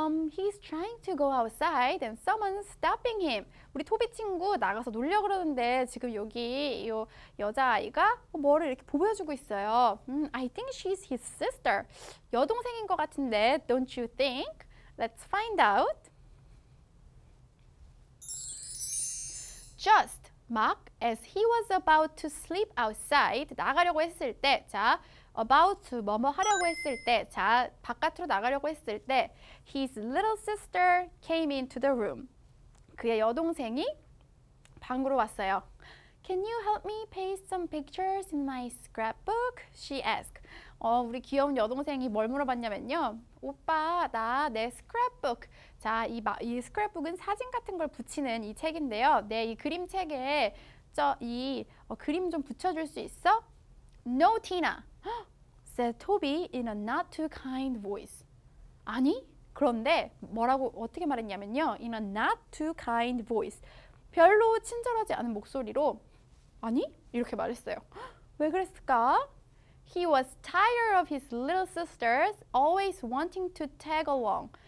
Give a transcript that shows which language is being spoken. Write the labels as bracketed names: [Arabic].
[English] He's trying to go outside and someone's stopping him. [Korean] 우리 토비 친구 나가서 놀려고 그러는데 지금 여기 이 여자아이가 뭐를 이렇게 보여주고 있어요. [English] I think she's his sister. [Korean] 여동생인 것 같은데, [English] don't you think? Let's find out. Just, 막, as he was about to sleep outside, [Korean] 나가려고 했을 때, 자, about to 뭐뭐 하려고 했을 때, 자, 바깥으로 나가려고 했을 때, [English] his little sister came into the room. [Korean] 그의 여동생이 방으로 왔어요. [English] Can you help me paste some pictures in my scrapbook? She asked. [Korean] 우리 귀여운 여동생이 뭘 물어봤냐면요. 오빠, 나 내 scrapbook. 자, 이 scrapbook은 사진 같은 걸 붙이는 이 책인데요. 내 이 그림책에 그림 좀 붙여줄 수 있어? [English] No, Tina. said Toby in a not too kind voice. [Korean] 아니, 그런데 뭐라고 어떻게 말했냐면요. [English] In a not too kind voice. [Korean] 별로 친절하지 않은 목소리로 아니? 이렇게 말했어요. 왜 그랬을까? [English] He was tired of his little sisters always wanting to tag along.